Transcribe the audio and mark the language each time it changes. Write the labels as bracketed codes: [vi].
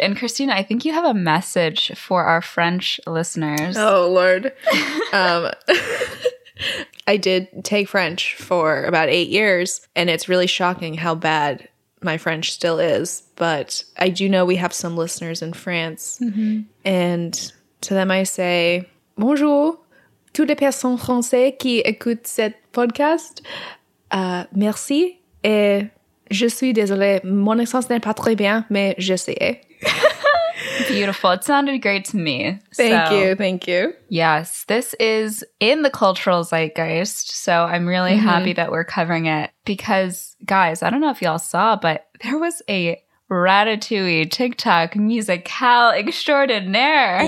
[en] And Christina, I think you have a message for our French listeners. Oh Lord. I did take French for about 8 years, and it's really shocking how bad my French still is. But I do know we have some listeners in France. Mm-hmm. And to them I say, [fr] bonjour, toutes les personnes françaises qui écoutent cette podcast. Merci. Et je suis désolée, mon accent n'est pas très bien, mais j'essaie. [en] Beautiful. It sounded great to me. Thank you. Yes, this is in the cultural zeitgeist, so I'm really happy that we're covering it. Because, guys, I don't know if y'all saw, but there was a Ratatouille TikTok [fr] musicale extraordinaire.